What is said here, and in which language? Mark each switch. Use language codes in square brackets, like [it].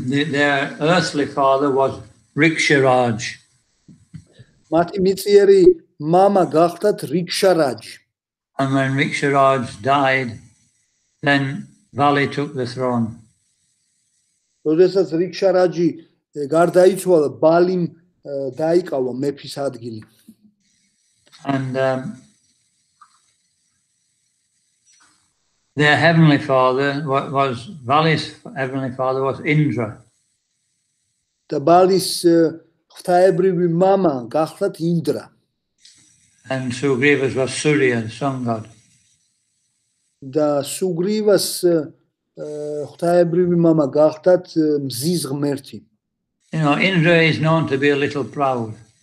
[en] Their earthly father was Rikshiraj. [ka] მათი მიწიერი მამა გახლდათ Rikshiraj-ი. [en] And when Rikshiraj died, then Vali took the throne. [ka] როდესაც Rikshiraj-ი გარდაიცვალა, ბალიმ დაიკავა მეფის ადგილი. [en] And their heavenly father was Vali's heavenly father was Indra. The Bali's [ka] ღვთაებრივი მამა გახლდათ Indra. [en] And Sugriva's was Surya, the sun god. The Sugriva's [ka] ღვთაებრივი მამა გახლდათ მზის ღმერთი. [en] You know, Indra is known to be a little proud.